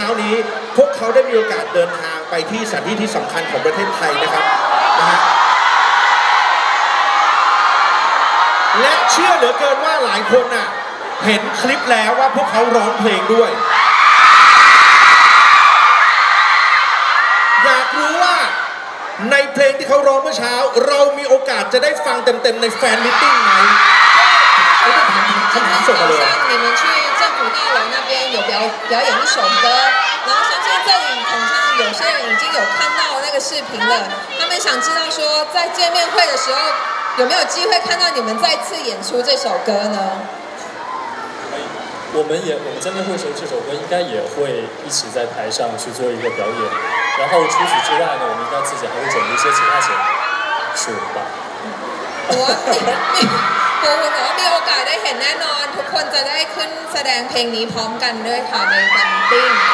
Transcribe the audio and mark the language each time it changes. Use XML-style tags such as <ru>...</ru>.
<th>พวกเขาได้มีโอกาสเดินทางไปที่สถานที่ที่สำคัญของประเทศไทยนะครับนะฮะและเชื่อเหลือเกินว่าหลายคนน่ะเห็นคลิปแล้วว่าพวกเขาร้องเพลงด้วย อยากรู้ว่าในเพลงที่เขาร้องเมื่อเช้าเรามีโอกาสจะได้ฟังเต็มๆในแฟนมีตติ้งไหมไม่ต้องถามคำถามส่งมาเลย</th> <zh>ใช่你们去政府大楼那边有表演一首歌然后相信这里恐怕有些人已经有看到那个视频了他们想知道说在见面会的时候有没有机会看到你们再次演出这首歌呢我们见面会时候这首歌应该也会一起在台上去做一个表演，然后除此之外呢，我们应该自己还会准备一些其他节目，是吧？我们</zh> <th>มีโอกาสได้เห็นแน่นอนทุกคนจะได้ขึ้นแสดงเพลงนี้พร้อมกันด้วยค่ะในแฟนมีตติ้ง</th>